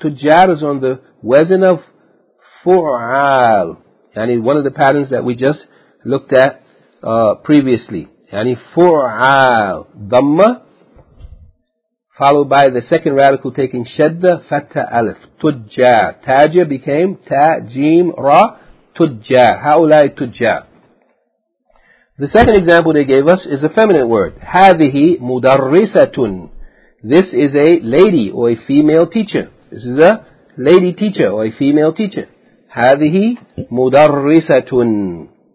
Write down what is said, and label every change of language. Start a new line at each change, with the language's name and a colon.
English: Tujjar is on the wazn of فعال. يعني one of the patterns that we just looked at previously.
Arabic: يعني فعال.
English: ضمة followed by the second radical taking شدة فتة ألف.
Arabic: تجار. تاجر
English: became
Arabic: تا جيم را تجار. هؤلاء تجار.
English: The second example they gave us is a feminine word.
Arabic: هذه مدرسة.
English: This is a lady or a female teacher. This is a lady teacher or a female teacher.
Arabic: هذه مدرسة.